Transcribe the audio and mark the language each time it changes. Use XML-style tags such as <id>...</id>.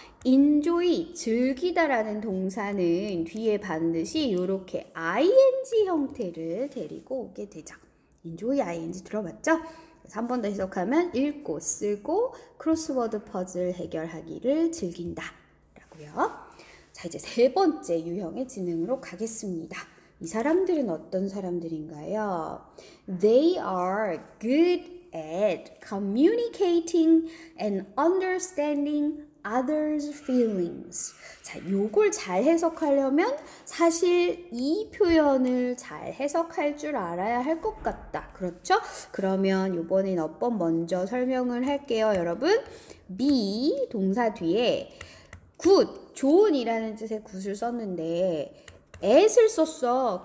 <ko>enjoy, 즐기다라는 동사는 뒤에 반드시 이렇게 ing 형태를 데리고 오게 되죠. enjoy, ing 들어봤죠? 한 번 더 해석하면 읽고 쓰고 크로스워드 퍼즐 해결하기를 즐긴다 라고요. 자, 이제 세 번째 유형의 지능으로 가겠습니다. 이 사람들은 어떤 사람들인가요?</ko> <en>They are good at communicating and understanding others' feelings.</en> <ko>자, 요걸 잘 해석하려면 사실 이 표현을 잘 해석할 줄 알아야 할 것 같다. 그렇죠? 그러면 요번엔 어법 먼저 설명을 할게요, 여러분. be 동사 뒤에 good, 좋은이라는 뜻의 good을 썼는데 at을 썼어.</ko>